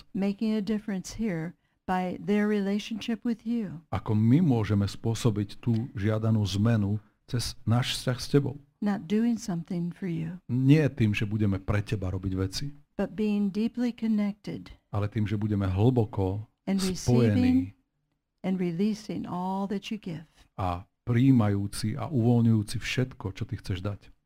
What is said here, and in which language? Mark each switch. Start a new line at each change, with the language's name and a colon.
English: Making a difference here by their relationship with you.
Slovak: Ako my môžeme spôsobiť tú žiadanú zmenu cez náš vzťah s tebou.
English: Not doing something for you.
Slovak: Nie tým, že budeme pre teba robiť veci.
English: But being deeply connected.
Slovak: Ale tým, že budeme hlboko spojení.
English: And releasing all that you give.
Slovak: A prijímajúci a uvoľňujúci všetko, čo ty chceš dať.